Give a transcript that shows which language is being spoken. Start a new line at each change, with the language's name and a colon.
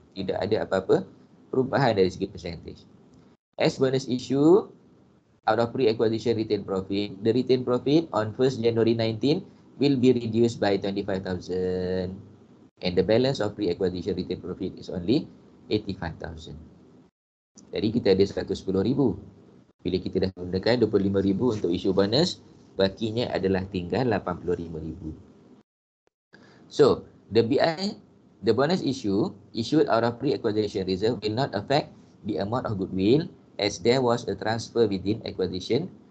Malay: Tidak ada apa-apa perubahan dari segi percentage.
English: As bonus issue out of pre-acquisition retained profit, the retained profit on 1st January 19 will be reduced by 25,000 and the balance of pre-acquisition retained profit is only 85,000.
Malay: Jadi kita ada 110,000. Bila kita dah gunakan 25,000 untuk issue bonus, bakinya adalah tinggal 85,000.
English: So, the BI, the bonus issue issued out of pre-acquisition reserve will not affect the amount of goodwill as there was a transfer within acquisition.